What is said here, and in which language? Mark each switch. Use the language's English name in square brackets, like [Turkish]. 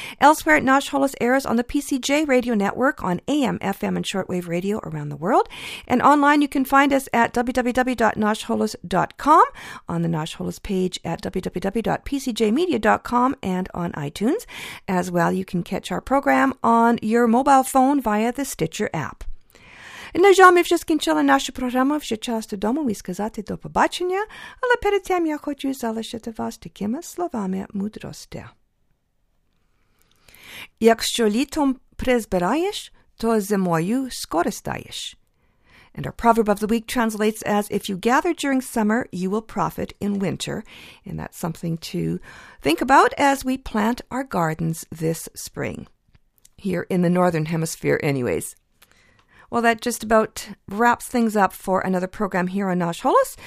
[English] Elsewhere, Nash Holos airs on the PCJ Radio Network on AM, FM, and shortwave radio around the world. And online, you can find us at www.nashholos.com, on the Nash Holos page at www.pcjmedia.com, and on iTunes. As well, you can catch our program on your mobile phone via the Stitcher app. [Ukrainian] І на жаль, ми вже скінчили нашу програму, вже час додому і сказати до побачення, але перед тим я хочу залишити вас такими словами мудрості. Якщо літом призбираєш, то зимою скористаєш. [English] And our proverb of the week translates as, if you gather during summer, you will profit in winter. And that's something to think about as we plant our gardens this spring. Here in the Northern Hemisphere anyways. Well, that just about wraps things up for another program here on Nash Holos.